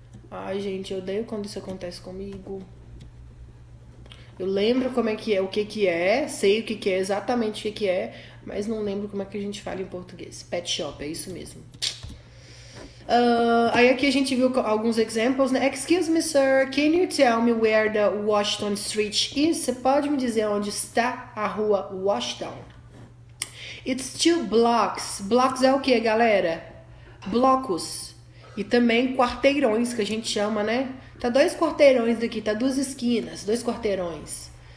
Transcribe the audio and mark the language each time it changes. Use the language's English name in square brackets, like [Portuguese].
[Portuguese] Ai, gente, eu odeio quando isso acontece comigo. Eu lembro como é que é, o que que é, sei o que que é, exatamente o que que é, mas não lembro como é que a gente fala em português. Pet shop, é isso mesmo. Aí aqui a gente viu alguns exemplos, né? [English] Excuse me, sir, can you tell me where the Washington Street is? [Portuguese] Você pode me dizer onde está a rua Washington? [English] It's 2 blocks. [Portuguese] Blocks é o quê, galera? Blocos. E também quarteirões, que a gente chama, né? Tá 2 quarteirões daqui, tá 2 esquinas, 2 quarteirões.